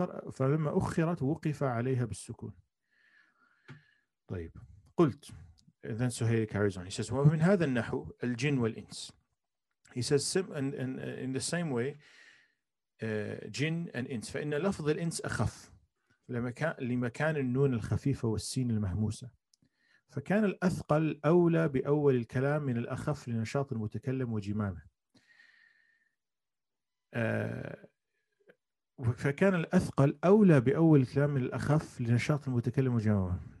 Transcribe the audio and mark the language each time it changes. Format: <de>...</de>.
<ar>فلما أخرت وقف عليها بالسكون. طيب قلت,</ar> <en>and then Suhail carries on. He says,</en> <ar>ومن هذا النحو الجن والإنس.</ar> <en>He says, in the same way, جن and إنس.</en> <ar>فإن لفظ الإنس أخف لمكان النون الخفيفة والسين المهموسة. فكان الأثقل أولى بأول الكلام من الأخف لنشاط المتكلم وجمامه. فكان الأثقل أولى بأول الكلام الأخف لنشاط المتكلم وجمامه.</ar>